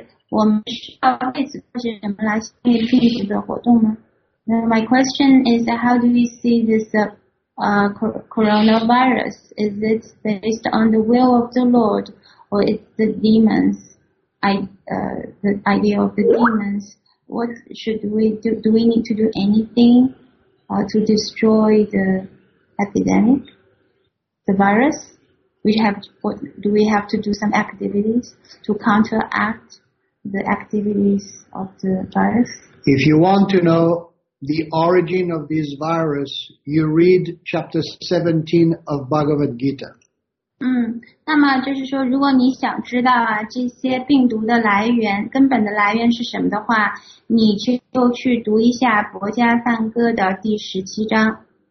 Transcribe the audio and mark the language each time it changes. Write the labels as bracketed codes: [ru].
[zh] 我们需要为此做些什么来消灭病毒的活动吗？ [en] My question is, how do we see this coronavirus? Is it based on the will of the Lord or it's the demons? The idea of the demons, what should we do? Do we need to do anything to destroy the epidemic, the virus. Do we have to do some activities to counteract the activities of the virus? If you want to know the origin of this virus, you read chapter 17 of Bhagavad Gita. [zh] 那么就是说，如果你想知道啊这些病毒的来源、根本的来源是什么的话，你就去读一下《博伽梵歌》的第十七章。